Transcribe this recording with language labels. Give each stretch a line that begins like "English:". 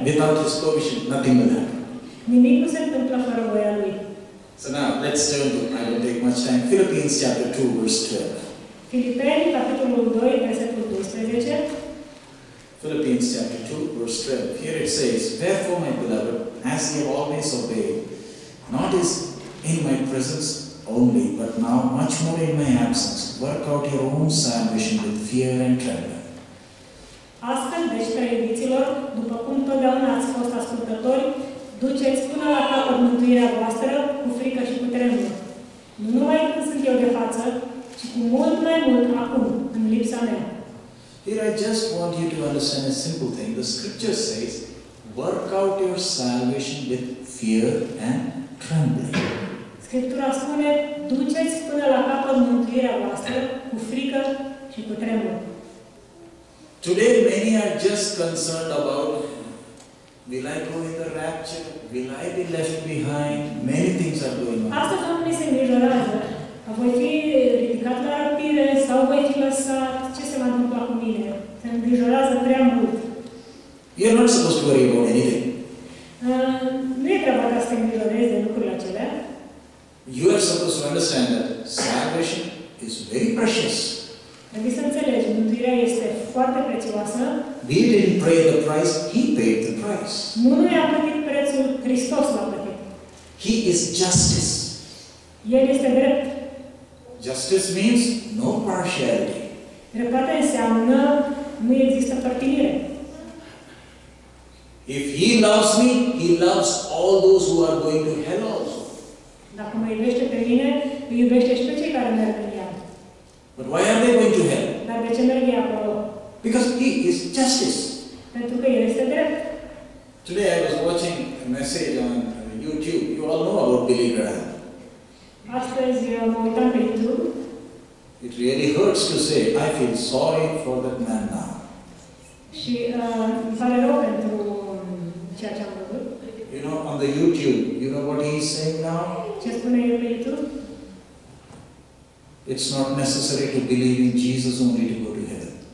English: Without His permission, nothing will happen.
Romanian: Nimic nu se întâmplă fără voia Lui.
English: So now, let let's turn to, I don't take much time, Philippians chapter 2, verse 12.
Romanian: Filipeni, capitolul 2, versetul 12.
English: Philippians chapter 2, verse 12. Here it says, therefore, my beloved, as ye always obeyed, not as in my presence only, but now much more in my absence, work out your own salvation with fear and trembling.
Romanian: Astfel, deci, preiubiților, după cum totdeauna ați fost ascultători, duceți până la capăt mântuirea voastră cu frică și cu tremură. Nu mai când sunt eu de față, ci cu mult mai mult acum, în lipsa mea.
English: Here I just want you to understand a simple thing. The scripture says, work out your salvation with fear and trembling.
Romanian: Scriptura spune, duceți până la capăt mântuirea voastră cu frică și cu tremură.
English: Today many are just concerned about will I go in the rapture? Will I be left behind? Many things are going on.
Romanian: Asta oamenii se îngrijorează. Voi fi ridicat la rapire sau voi fi lăsat? Ce se va întâmpla cu mine? Se îngrijorează prea mult.
English: You're not supposed to worry about anything.
Romanian: Nu e treaba ta să te îngrijorezi de lucrurile acelea.
English: You are supposed to understand that salvation is very precious.
Romanian: Trebuie să înțelegi, mântuirea este foarte prețioasă.
English: We didn't pay the price, He paid the price.
Romanian: Nu noi am plătit prețul, Hristos l-a plătit.
English: He is justice.
Romanian: El este drept.
English: Justice means no partiality.
Romanian: Dreptate înseamnă nu există părtinire.
English: If He loves me, He loves all those who are going to hell also.
Romanian: Dacă mă iubește pe mine, îi iubește și pe cei care merg în iad.
English: But why are they going to hell?
Romanian: Dar de ce merg ei acolo?
English: Because He is justice.
Romanian: Pentru că El este drept.
English: Today I was watching a message on YouTube. You all know about Billy Graham.
Romanian: Astăzi mă uitam pe YouTube.
English: It really hurts to say, I feel sorry for that man now.
Romanian: Și îmi pare rău pentru ceea ce am văzut.
English: You know, on the YouTube, you know what he is saying now?
Romanian: Ce spune el pe YouTube?
English: It's not necessary to believe in Jesus only to go to heaven.